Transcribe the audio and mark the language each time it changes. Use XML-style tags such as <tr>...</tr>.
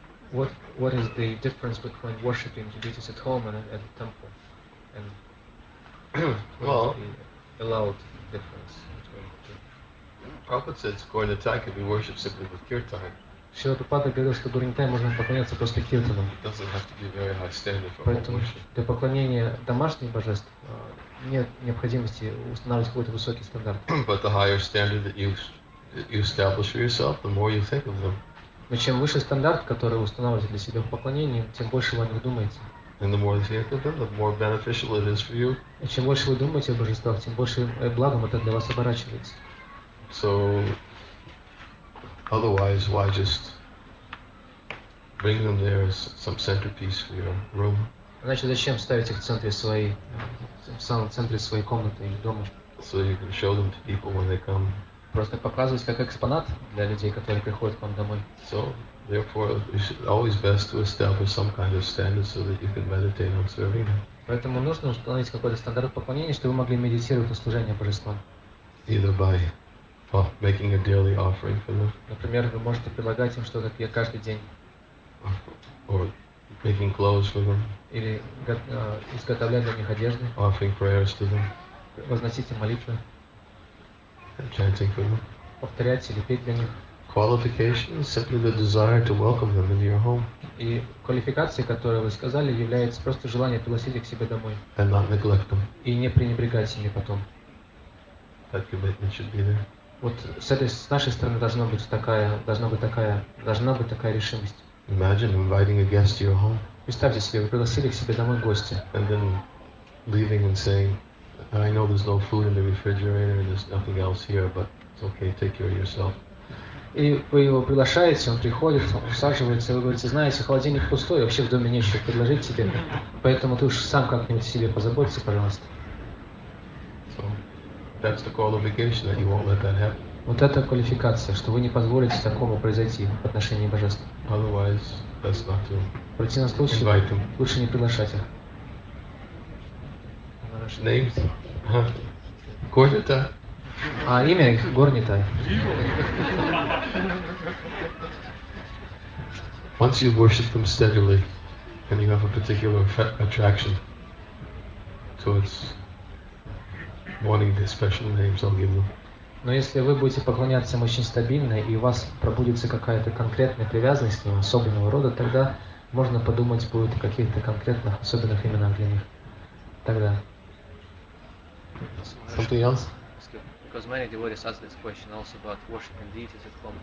<en>What is the difference between worshiping the deities at home and at the temple? And well, the allowed difference between the two. Prabhupada said Gornitai can be worshipped simply with kirtan.</en> <ru>Шрила Прабхупада говорил, что Гурнитай можно поклоняться просто киртаном.</ru> <en>It doesn't have to be very high standard for</en> <ru>Поэтому</ru> <en>worship.</en> <ru>Для поклонения домашних божеств нет необходимости устанавливать какой-то высокий стандарт.</ru> <en>But the higher standard that you establish for yourself, the more you think of them.</en> <ru>Но чем выше стандарт, который вы устанавливаете для себя в поклонении, тем больше вы о них думаете.</ru> <en>And the more you think of them, the more beneficial it is for you.</en> <ru>И чем больше вы думаете о божествах, тем больше благом это для вас оборачивается.</ru> <en>So, otherwise, why just bring them there as some centerpiece for your room?</en> <ru>Значит, зачем ставить их в центре своей, в самом центре своей комнаты или дома?</ru> <en>So you can show them to people when they come.</en> <ru>Просто показывать как экспонат для людей, которые приходят к вам домой.</ru> <en>So, therefore, it's always best to establish some kind of standard so that you can meditate on serving.</en> <ru>Поэтому нужно установить какой-то стандарт поклонения, чтобы вы могли медитировать на служение божествам.</ru> <en>Either by making a daily offering for them.</en> <ru>Например, вы можете предлагать им что-то каждый день.</ru> <en>Or making clothes for them.</en> <ru>Или изготовлять для них одежды.</ru> <en>Offering prayers to them.</en> <ru>Возносите молитвы.</ru> <en>Chanting for them.</en> <ru>Повторять или петь для них.</ru> <en>Qualification is simply the desire to welcome them into your home.</en> <ru>И квалификация, которую вы сказали, является просто желание пригласить их к себе домой.</ru> <en>And not neglect them.</en> <ru>И не пренебрегать ими потом.</ru> <en>That commitment should be there.</en> <ru>Вот с нашей стороны должна быть такая решимость.</ru> <en>Imagine inviting a guest to your home.</en> <ru>Представьте себе, вы пригласили к себе домой гостя.</ru> <en>And then leaving and saying, I know there's no food in the refrigerator and there's nothing else here, but it's okay, take care of yourself.</en> <ru>И вы его приглашаете, он приходит, он усаживается, и вы говорите, знаете, холодильник пустой, вообще в доме нечего предложить тебе, поэтому ты уж сам как-нибудь себе позаботься, пожалуйста.</ru> <en>So, that's the qualification that you won't let that happen.</en> <ru>Вот это квалификация, что вы не позволите такому произойти в отношении божества.</ru> <en>Otherwise, that's not to invite.</en> <ru>В противном случае, лучше не приглашать их.</ru> <en>Names? Gornitai?</en> <ru>А имя их Gornitai.</ru> <en>Once you worship them steadily, and you have a particular attraction towards wanting the special names I'll give them.</en> <ru>Но если вы будете поклоняться им очень стабильно, и у вас пробудется какая-то конкретная привязанность к ним особенного рода, тогда можно подумать будет о каких-то конкретных особенных именах для них. Тогда.</ru> <en>Something else? Because many devotees ask this question also about worshiping deities at home.</en>